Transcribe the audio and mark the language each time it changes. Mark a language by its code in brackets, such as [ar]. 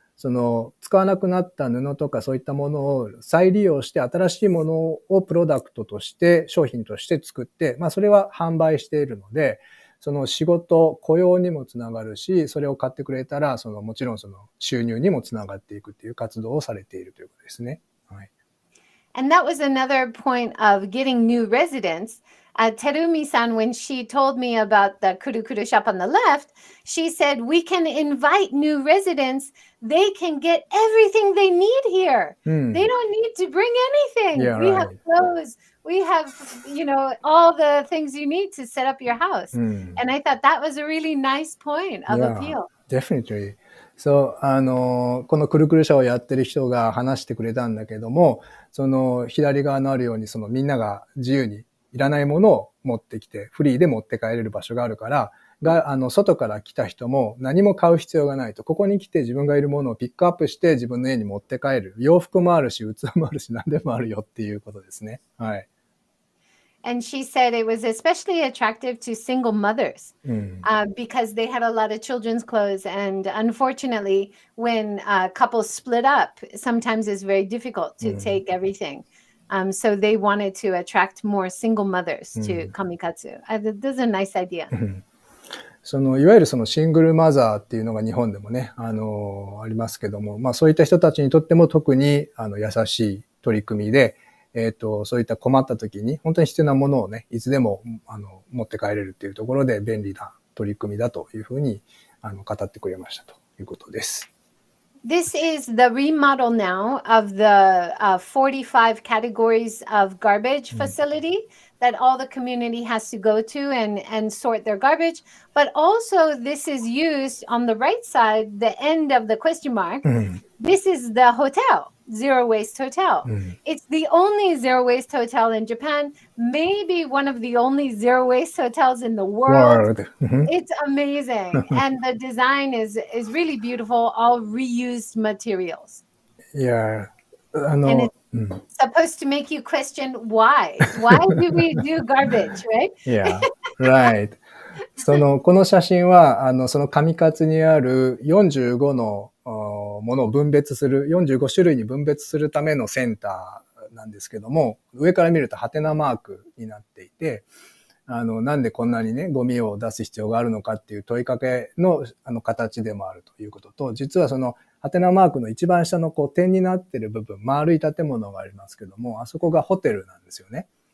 [ja] その使わなくなった布とかそういったものを再利用して新しいものをプロダクトとして商品として作って、まあそれは販売しているので、その仕事雇用にもつながるし、それを買ってくれたらそのもちろんその収入にもつながっていくっていう活動をされているということですね。はい。 [en] And that was another point of getting new residents. Terumi-san, when she told me about the kurukuru shop on the left, she said, we can invite new residents. They can get everything they need here. They don't need to bring anything. Yeah, we right. have clothes. We have, you know, all the things you need to set up your house. And I thought that was a really nice point of appeal. Definitely. [ja] So, このくるくる社をやってる人が話してくれたんだけども、その左側のあるようにそのみんなが自由にいらないものを持ってきて、フリーで持って帰れる場所があるから、外から来た人も何も買う必要がないと、ここに来て自分がいるものをピックアップして自分の家に持って帰る。洋服もあるし、器もあるし、何でもあるよっていうことですね。はい。 [en] And she said it was especially attractive to single mothers, because they had a lot of children's clothes. And unfortunately, when couples split up, sometimes it's very difficult to take everything. So they wanted to attract more single mothers to kamikatsu. That was a nice idea. [ja] そのいわゆるそのシングルマザーっていうのが日本でもね、ありますけども、まあそういった人たちにとっても特に優しい取り組みで、そういった困った時に本当に必要なものをね、いつでも持って帰れるっていうところで便利な取り組みだというふうに語ってくれましたということです。 [en] This is the remodel now of the 45 categories of garbage facility that all the community has to go to and sort their garbage. But also this is used on the right side, the end of the question mark. This is the hotel, Zero Waste Hotel. It's the only Zero Waste Hotel in Japan, maybe one of the only Zero Waste Hotels in the world. It's amazing. And the design is really beautiful, all reused materials. Yeah. And it's supposed to make you question why. Why do we do garbage, right? Yeah, right. [ja] そのこの写真はその上勝にある45のものを分別する45種類に分別するためのセンターなんですけども、上から見るとハテナマークになっていて、なんでこんなにねゴミを出す必要があるのかっていう問いかけの形でもあるということと、実はそのハテナマークの一番下のこう点になっている部分、丸い建物がありますけども、あそこがホテルなんですよね。